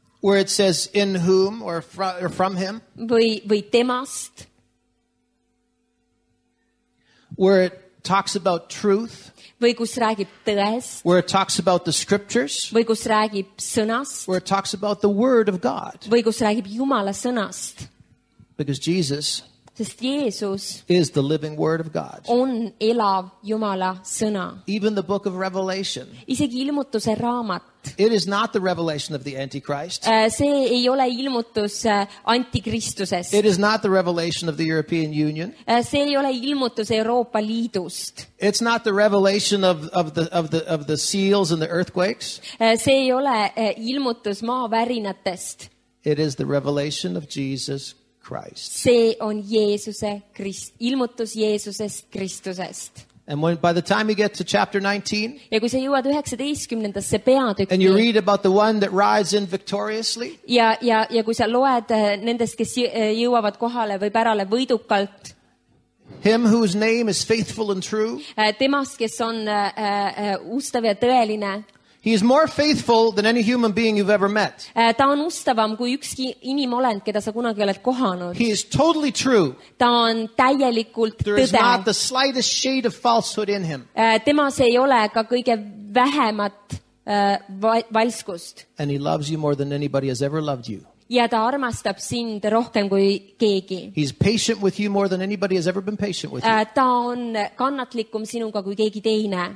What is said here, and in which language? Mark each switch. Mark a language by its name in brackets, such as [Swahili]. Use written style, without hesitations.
[English] where it says in whom or from him, [Estonian] või temast, [English] where it talks about truth, [Estonian] või kus räägib tõest, [English] where it talks about the scriptures, [Estonian] või kus räägib sõnast, [English] where it talks about the word of God, [Estonian] või kus räägib Jumala sõnast. [English] Because Jesus, [Estonian] sest Jeesus [English] is the living word of God. [Estonian] On elav Jumala sõna. [English] Even the book of Revelation. [Estonian] Isegi ilmutuse raamat. [English] It is not the revelation of the Antichrist. [Estonian] See ei ole ilmutus antikristusest. [English] It is not the revelation of the European Union. [Estonian] See ei ole ilmutus Euroopa liidust. [English] It's not the revelation of the seals and the earthquakes. [Estonian] See ei ole ilmutus maavärinatest. [English] It is the revelation of Jesus Christ. [Estonian] See on Jeesuse Krist, ilmutus Jeesusest Kristusest. [English] And when by the time you get to chapter 19, [Estonian] ja kui sa jõuad 19. peatükki, [English] and you read about the one that rides in victoriously, [Estonian] ja kui sa loed nendest, kes jõuavad kohale või pärale võidukalt, [English] him whose name is faithful and true, [Estonian] temast, kes on ustav ja tõeline, [English] he is more faithful than any human being you've ever met. [Estonian] Ta on ustavam kui ükski inimolend, keda sa kunagi oled kohanud. [English] He is totally true. [Estonian] Ta on täielikult tõde. [English] There is not the slightest shade of falsehood in him. [Estonian] Temas ei ole ka kõige vähemat valskust. [English] And he loves you more than anybody has ever loved you. [Estonian] Ja ta armastab sind rohkem kui keegi. [English] He's patient with you more than anybody has ever been patient with you. [Estonian] Ta on kannatlikum sinuga kui keegi teine.